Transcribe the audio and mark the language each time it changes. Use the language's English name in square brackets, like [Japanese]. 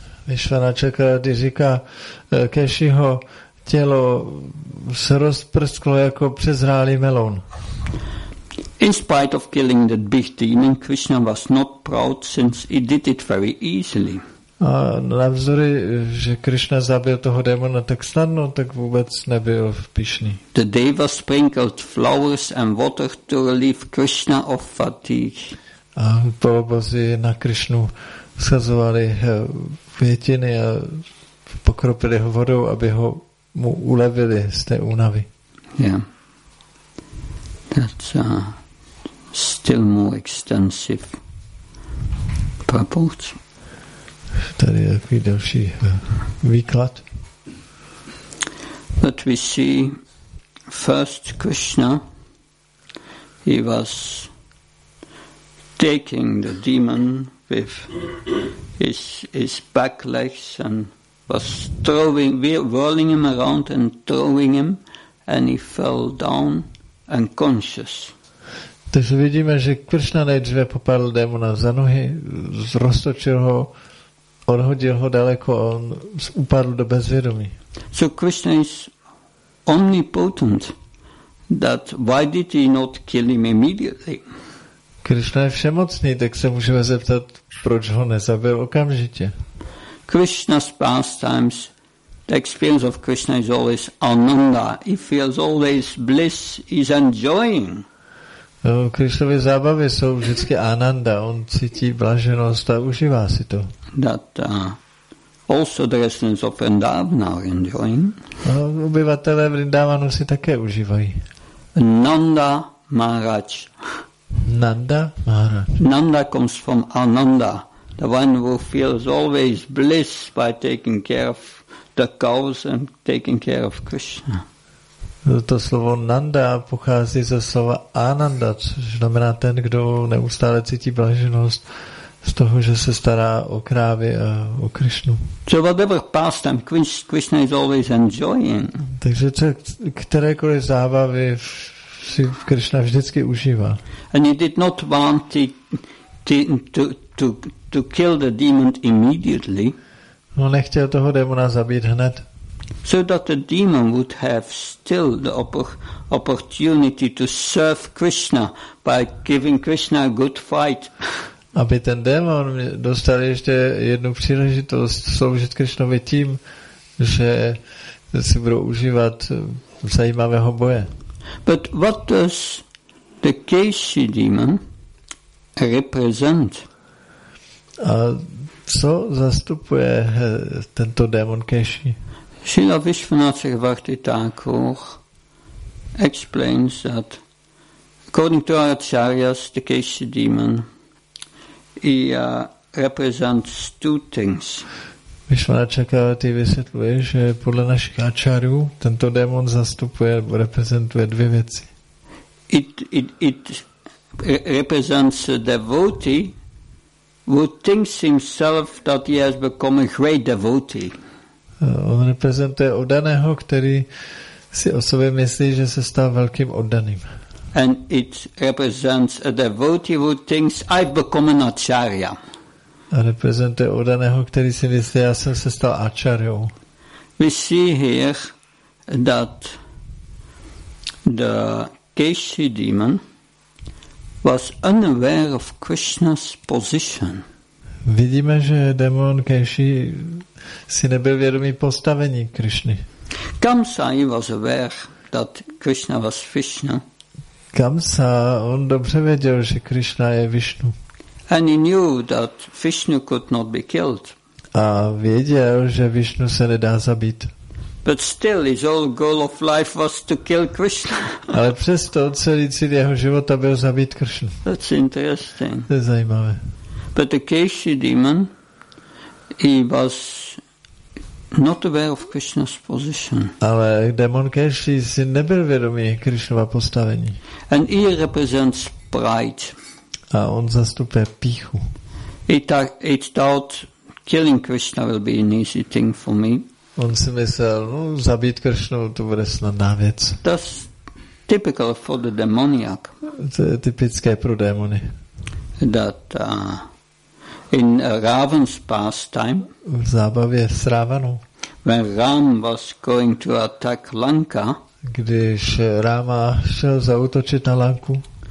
[Czech] Vishvanachakravarti říká, Keshiho tělo se rozprsklo jako přezrálý melon. [English] In spite of killing that big demon, Krishna was not proud since he did it very easily. [Czech] A navzory, že Krishna zabil toho démona tak snadno, tak vůbec nebyl pyšný. [English] The deva sprinkled flowers and water to relieve Krishna of fatigue. [Czech] A polobozy na Krishnu sazovali květiny a pokropili ho vodou, aby ho mu ulevili z té únavy. [English] Yeah. That's still more extensive purport. [Czech] Tady je takový další výklad. [English] But we see first Krishna, he was taking the demon with his back legs and was throwing, whirling him around and throwing him, and he fell down unconscious. [Czech] Takže vidíme, že Krishna nejdříve popadl démona za nohy, roztočil ho, odhodil ho daleko a on upadl do bezvědomí. [English] So Krishna is omnipotent, that why did he not kill him immediately? [Czech] Krishna je všemocný, tak se můžeme zeptat, proč ho nezabil okamžitě. [English] Krishna's pastimes, the experience of Krishna is always ananda. He feels always bliss, he's enjoying. [Czech] Krishnovy zábavy jsou vždycky ananda, on cítí blaženost a užívá si to. [English] That also the residents of Vrindavana are enjoying. [Czech] Obyvatelé Vrindavanu si také užívají. [English] Nanda Maharaj. [Czech] Nanda Maharaj. [English] Nanda comes from ananda. The one who feels always bliss by taking care of the cows and taking care of Krishna. [Czech] To slovo Nanda pochází ze slova Ananda, což znamená ten, kdo neustále cítí blaženost z toho, že se stará o krávy a o Krishnu. [English] So whatever pastime, Krishna is always enjoying. [Czech] Takže kterékoliv zábavy si Krishna vždycky užívá. [English] And he did not want to kill the demon immediately. [Czech] No, nechtěl toho démona zabít hned. [English] So that the demon would have still the opportunity to serve Krishna by giving Krishna a good fight. [Czech] Aby ten démon dostal ještě jednu příležitost sloužit Krishnovi tím, že si budou užívat zajímavého boje. [English] But what does the Keshi demon represent? [Czech] A co zastupuje tento démon Keshi? [English] Srila Vishvanatha Bhakti Thakur explains that According to our acharyas, the Kesha demon, he represents two things. [Czech] Vishwana Chakravarti vysvětluje, že podle našich acharyů tento démon zastupuje, reprezentuje dvě věci. [English] It represents a devotee who thinks himself that he has become a great devotee. [Czech] On reprezentuje oddaného, který si o sobě myslí, že se stal velkým oddaným. [English] And it represents a devotee who thinks I've become an acharya. [Czech] A reprezentuje oddaného, který si myslí, já jsem se stal acharyou. [English] We see here that the Keshi demon was unaware of Krishna's position. [Czech] Vidíme, že démon Keshi si nebyl vědomý postavení Krishny. [English] Kamsa was aware that Krishna was Vishnu. [Czech] Kamsa, on dobře věděl, že Krishna je Vishnu. [English] And he knew that Vishnu could not be killed. [Czech] A věděl, že Vishnu se nedá zabít. [English] But still, his whole goal of life was to kill Krishna. [Czech] Ale přesto celý cíl jeho života byl zabít Krishnu. [English] That's interesting. [Czech] To je zajímavé. [English] But the Keshi demon, he was not aware of Krishna's position. [Czech] Ale démon Keshi si nebyl vědomý Krishnova postavení. [English] And he represents pride. [Czech] A on zastupuje píchu. [English] He thought killing Krishna will be an easy thing for me. [Czech] On si myslel, no, zabít Kršnu, to bude snadná věc. [English] That's typical for the demoniac. [Czech] To je typické pro démony. [English] That in Ravan's pastime, [Czech] v zábavě s Ravanou, [English] when Ram was going to attack Lanka, [Czech] když Rama šel zaútočit na Lanku,